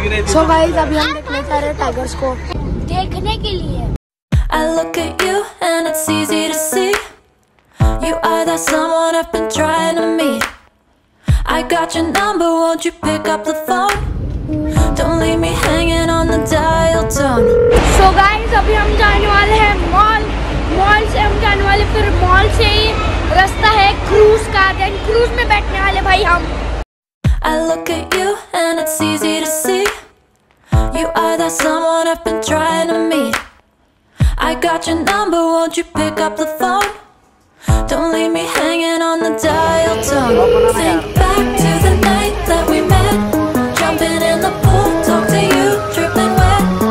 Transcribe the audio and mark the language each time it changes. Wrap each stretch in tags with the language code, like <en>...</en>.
<hi>So guys, अभी हम देखने जा रहे हैं टाइगर्स को देखने के लिए.</hi> <en>I look at you and it's easy to see. You are that someone I've been trying to meet. I got your number, won't you pick up the phone? Don't leave me hanging on the dial tone.</en> <hi>So guys, अभी हम जाने वाले हैं mall. Mall से हम जाने वाले, फिर मॉल से ही रास्ता है क्रूज का. देन क्रूज में बैठने वाले भाई हम.</hi> <en>I look at you and it's easy to see. You are that someone I've been trying to meet. I got your number, won't you pick up the phone? Don't leave me hanging on the dial tone. Think back to the night that we met. Jumping in the pool, talk to you, dripping wet.</en>